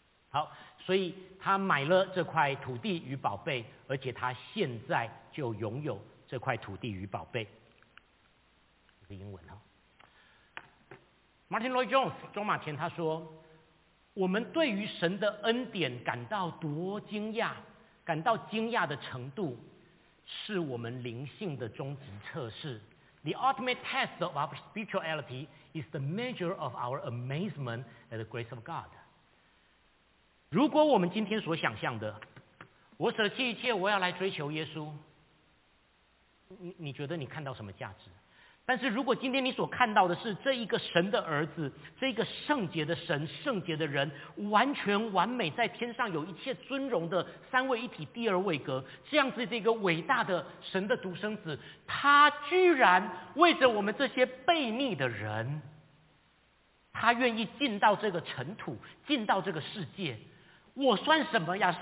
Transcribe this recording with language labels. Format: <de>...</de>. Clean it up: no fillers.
<zh>好，所以他买了这块土地与宝贝，而且他现在就拥有这块土地与宝贝。这是英文哦。 Martin Lloyd-Jones 中马前他说，我们对于神的恩典感到多惊讶，感到惊讶的程度是我们灵性的终极测试。</zh> <en>The ultimate test of our spirituality is the measure of our amazement at the grace of God。</en> <zh>如果我们今天所想象的，我舍弃一切，我要来追求耶稣，你觉得你看到什么价值？但是如果今天你所看到的是这一个神的儿子，这一个圣洁的神、圣洁的人，完全完美，在天上有一切尊荣的三位一体第二位格，这样子的一个伟大的神的独生子，他居然为着我们这些悖逆的人，他愿意进到这个尘土，进到这个世界，我算什么呀？</zh>